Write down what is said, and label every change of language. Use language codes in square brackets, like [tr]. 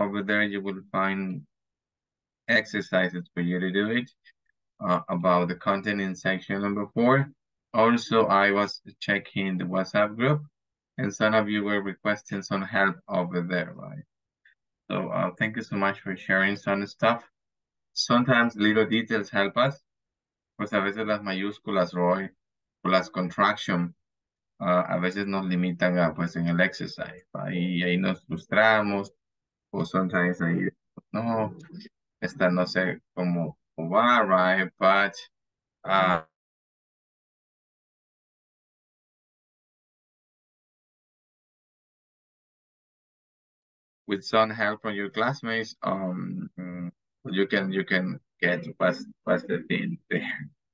[en] Over there, you will find exercises for you to do it about the content in section number four. Also, I was checking the WhatsApp group, and some of you were requesting some help over there, right? So thank you so much for sharing some stuff. Sometimes little details help us. [es] Pues a veces las mayúsculas, Roy, o las contraction, a veces nos limitan a, pues, en el exercise. Ahí nos frustramos, o [en] sometimes [es] ahí, no, esta no sé cómo va, right? [en] But, with some help from your classmates, you can get what's the thing there.